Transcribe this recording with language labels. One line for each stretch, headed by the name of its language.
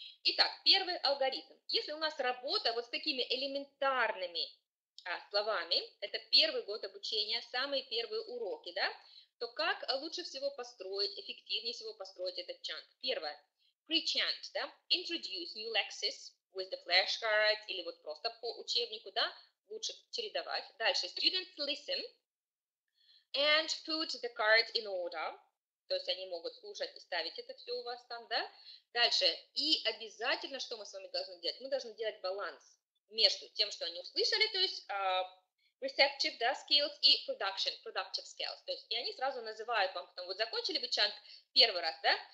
Russian: Итак, первый алгоритм. Если у нас работа вот с такими элементарными словами, это первый год обучения, самые первые уроки, да, то как лучше всего построить, эффективнее всего построить этот чант? Первое.
English: Pre-chant, да? Introduce new lexis with the flashcards,
Russian: или вот просто по учебнику, да? Лучше чередовать. Дальше,
English: students listen and put the cards in order.
Russian: То есть они могут слушать и ставить это все у вас там, да? Дальше, и обязательно, что мы с вами должны делать? Мы должны делать баланс между тем, что они услышали, то есть receptive, да, skills и production, productive skills. То есть, и они сразу называют вам, потом, вот закончили вы чант первый раз, да?